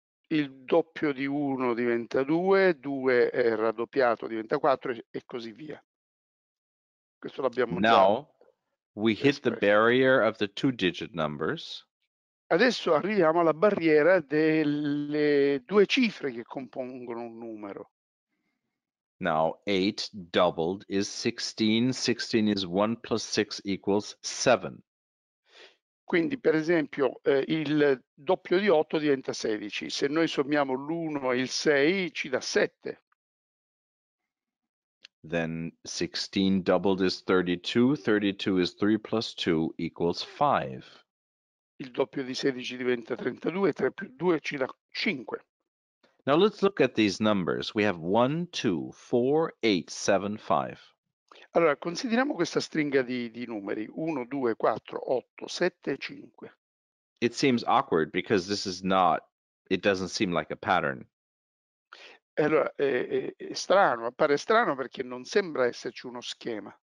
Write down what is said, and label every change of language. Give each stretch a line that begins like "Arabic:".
Italian: Il doppio di 1 diventa 2, 2 è raddoppiato diventa 4 e così via. Questo l'abbiamo già.
English: Now we hit the barrier of the 2-digit numbers.
Italian: Adesso arriviamo alla barriera delle due cifre che compongono un numero.
English: Now 8 doubled is 16, 16 is 1 plus 6 equals 7.
Italian: Quindi, per esempio, il doppio di 8 diventa 16. Se noi sommiamo l'1 e il 6 ci dà 7.
English: Then 16 doubled is 32, 32 is 3 plus 2 equals 5.
Italian: Il doppio di 16 diventa 32, 3 più 2 ci dà 5.
English: Now let's look at these numbers. We have 1, 2, 4, 8, 7, 5.
Italian: Allora, consideriamo questa stringa di numeri. 1, 2, 4, 8, 7, 5.
English: It seems awkward because this is not, it doesn't seem like a pattern.
Italian: Allora, è strano, appare strano perché non sembra esserci uno schema.